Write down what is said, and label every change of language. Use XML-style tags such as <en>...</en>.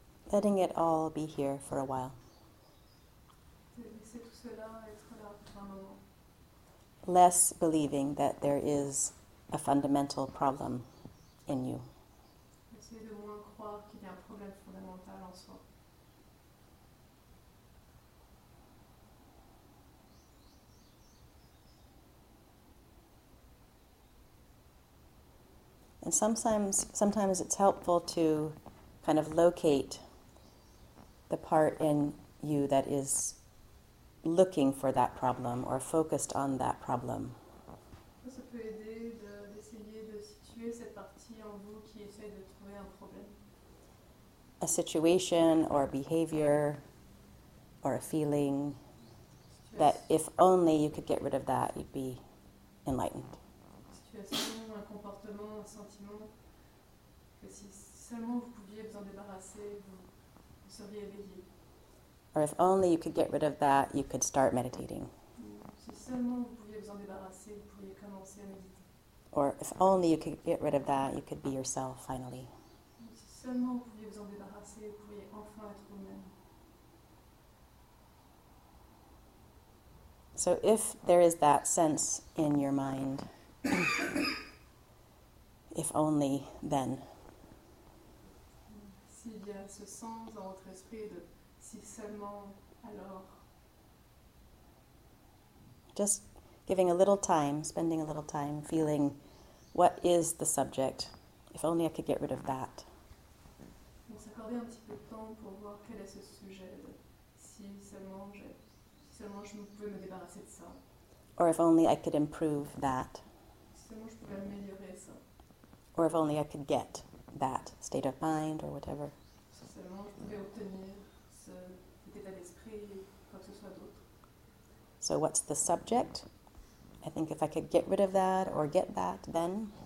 <en>Letting it all be here for a while.</en> <fr>Laissez tout cela être là pour un moment.</fr> <en>Less believing that there is a fundamental problem in you.</en> <fr>Essayez de moins croire qu'il y a un problème fondamental en soi.</fr> <en>And sometimes it's helpful to kind of locate the part in you that is looking for that problem or focused on that problem.</en> <fr>Ça peut aider d'essayer de situer cette partie en vous qui essaie de trouver un problème.</fr> <en>a situation or a behavior or a feeling stress. That if only you could get rid of that, you'd be enlightened.</en> <fr>Situation, un comportement, un sentiment, que si seulement vous pouviez vous en débarrasser, vous seriez éveillé.</fr> <en>Or if only you could get rid of that, you could start meditating.</en> <fr>Si seulement vous pouviez vous en débarrasser, vous pourriez commencer à méditer.</fr> <en>Or if only you could get rid of that, you could be yourself finally.</en> <fr>Si seulement vous pouviez vous en débarrasser, vous pourriez enfin être vous-même.</fr> <en>So if there is that sense in your mind, if only then.</en> <fr>S'il y a ce sens dans votre esprit de si seulement alors.</fr> <en>Just giving a little time, spending a little time, feeling what is the subject, if only I could get rid of that.</en> <fr>On s'accorder un petit peu de temps pour voir quel est ce sujet, de, si seulement je pouvais me débarrasser de ça.</fr> <en>Or if only I could improve that.</en> <fr>Si seulement je pouvais améliorer ça.</fr> <en>Or if only I could get that state of mind or whatever.</en> <fr>Si seulement je pouvais obtenir ce, cet état d'esprit, quoi que ce soit d'autre.</fr> <en>So what's the subject? I think if I could get rid of that or get that, then,</en>